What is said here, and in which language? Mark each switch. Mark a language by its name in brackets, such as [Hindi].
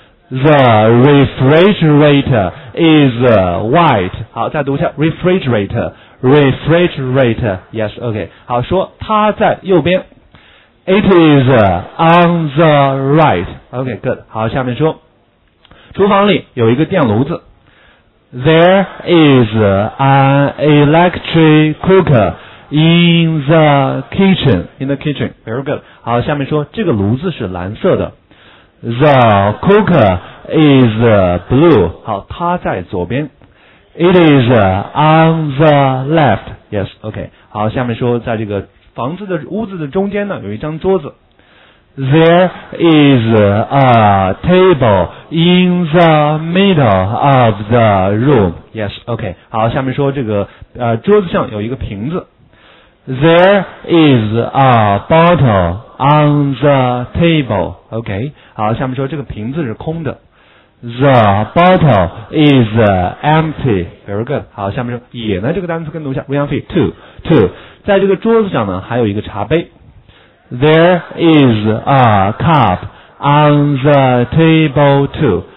[English] The refrigerator is white. [Chinese] 好，再读一下 refrigerator, refrigerator. [English] Yes, okay. [Chinese] 好，说它在右边。 [English] It is on the right. Okay, good. [Chinese] 好，下面说厨房里有一个电炉子。 [English] There is an electric cooker in the kitchen. In the kitchen, very good. [Chinese] 好，下面说这个炉子是蓝色的。 [English] The cooker is blue. [Chinese] 好，它在左边。 [English] It is on the left. Yes, okay. [Chinese] 好，下面说在这个房子的屋子的中间呢，有一张桌子。 [English] There is a table in the middle of the room. Yes, okay. [Chinese] 好，下面说这个桌子上有一个瓶子。 [English] There is a bottle on the table. [Chinese] Okay. 好，下面说这个瓶子是空的。 [English] The bottle is empty. Very good. [Chinese] 好，下面就也呢这个单词跟读一下 Ryan Fee. [English] Two. Two. [Chinese] 在这个桌子上呢还有一个茶杯。 [English] There is a cup on the table too.